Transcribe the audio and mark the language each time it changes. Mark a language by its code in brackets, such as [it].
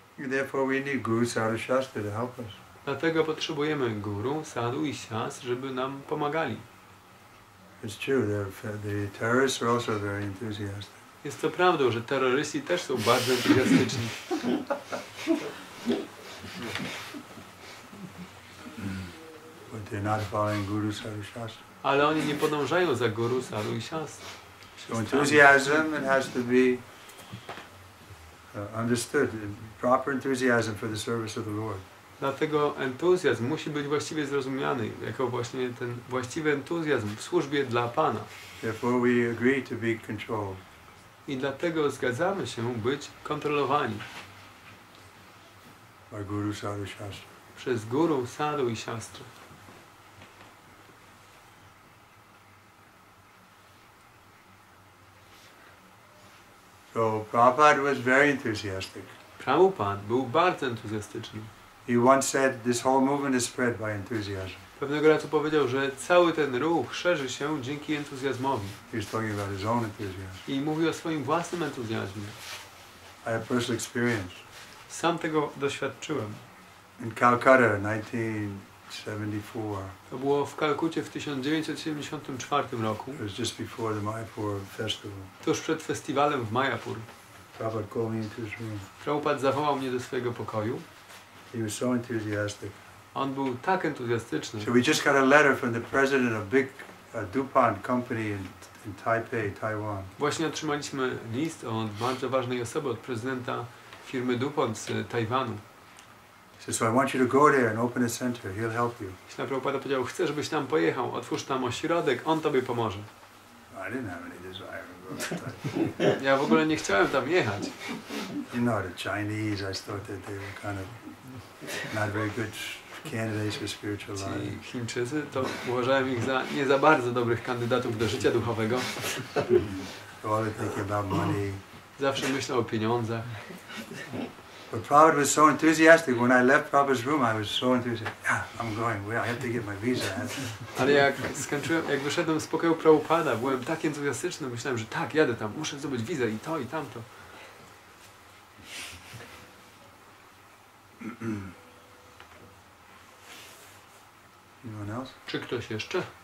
[en] Therefore we need Guru Sadhu Shastra to help us. [pl] Dlatego potrzebujemy Guru, Sadhu i Shas, żeby nam pomagali. [en] It's true, the terrorists are also very enthusiastic. [pl] Jest to prawdą, że terroryści też są bardzo entuzjastyczni. [en] But they're not following Guru Sadhu Shastra. [pl] Ale oni nie podążają za Guru Sadhu i Shastra. [en] So enthusiasm, it has to be understood. Proper enthusiasm for the service of the Lord. [pl] Dlatego entuzjazm musi być właściwie zrozumiany, jako właśnie ten właściwy entuzjazm w służbie dla Pana. [en] Therefore we agree to be controlled. [pl] I dlatego zgadzamy się być kontrolowani. [en] By Guru Sadhu Shastra. [pl] Przez Guru Sadhu i Shastra. [en] So Prabhupada was very enthusiastic. [pl] Prabhupada był bardzo entuzjastyczny. [en] He once said, "This whole movement is spread by enthusiasm." [pl] Pewnego razu powiedział, że cały ten ruch szerzy się dzięki entuzjazmowi. [en] He's talking about his own enthusiasm. [pl] I mówił o swoim własnym entuzjazmie. [en] I have personal experience. [pl] Sam tego doświadczyłem. [en] In Calcutta, 1974. [pl] To było w Kalkucie w 1974 roku. [en] It was just before the Mayapur festival. [pl] Tuż przed festiwalem w Mayapur. [en] Prabhupada called me into his room. [pl] Prabhupada zawołał mnie do swojego pokoju. [en] He was so enthusiastic. [pl] On był tak entuzjastyczny. [en] So we just got a letter from the president of big DuPont company in Taipei, Taiwan. [pl] Właśnie otrzymaliśmy list od bardzo ważnej osoby, od prezydenta firmy DuPont z Tajwanu. [en] He said, "So I want you to go there and open a center. He'll help you." [pl] Śrila Prabhupada powiedział, chcę, żebyś tam pojechał, otwórz tam ośrodek, on tobie pomoże. [en] I didn't have any desire. [pl] Ja w ogóle nie chciałem tam jechać. [en] You know, the Chinese, I thought that they were kind of not very good candidates for spiritual life. [pl] Ci Chińczycy, to uważałem ich za nie za bardzo dobrych kandydatów do życia duchowego. [en] Always thinking about money. [pl] Zawsze myślał o pieniądzach. [en] But Prabhupada was so enthusiastic. When I left Prabhupada's room, I was so enthusiastic. Yeah, I'm going. Well, I have to get my visa. [pl] Ale jak wyszedłem z pokoju Prabhupada, byłem tak entuzjastyczny, myślałem, że tak, jadę tam, muszę zdobyć wizę i to, i tamto. [en] Anyone else? [pl] Czy ktoś jeszcze?